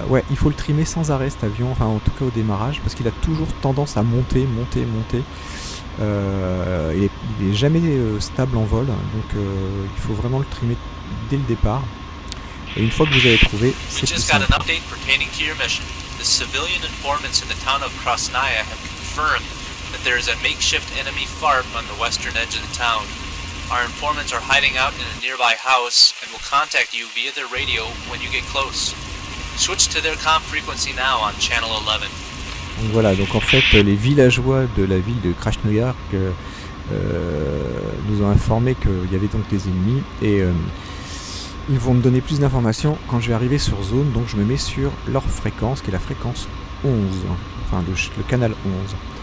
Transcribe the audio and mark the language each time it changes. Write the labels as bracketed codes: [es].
[fr] Il faut le trimer sans arrêt cet avion, enfin en tout cas au démarrage, parce qu'il a toujours tendance à monter. Il n'est jamais stable en vol, donc il faut vraiment le trimer dès le départ. Et une fois que vous avez trouvé, c'est plus simple. [en] Just got an update pertaining to your mission. The civilian informants in the town of Krasnaya have confirmed that there is a makeshift enemy farm on the western edge of the town. Our informants are hiding out in a nearby house and will contact you via their radio when you get close. Switch to their comm frequency now on channel 11. [fr] Donc voilà, donc en fait les villageois de la ville de Krasnaya nous ont informé qu'il y avait donc des ennemis et ils vont me donner plus d'informations quand je vais arriver sur zone. Donc je me mets sur leur fréquence qui est la fréquence 11, enfin le canal 11.